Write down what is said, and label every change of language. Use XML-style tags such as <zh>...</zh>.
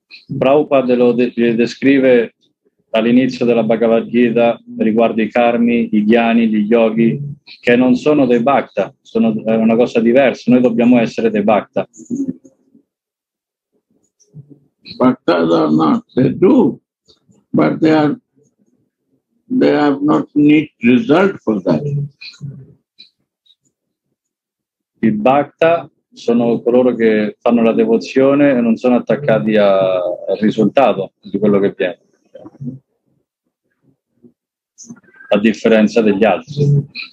<it>Prabhupada lo descrive all'inizio della Bhagavad Gita riguardo i karmi, i jnani, gli yogi, che non sono dei bhakta, sono una cosa diversa. Noi dobbiamo essere dei bhakta.</it> <en>Bhaktas are not, they do, but they have not need result for that.</en> <it>I bhakta sono coloro che fanno la devozione e non sono attaccati al risultato di quello che viene, a differenza degli altri.</it>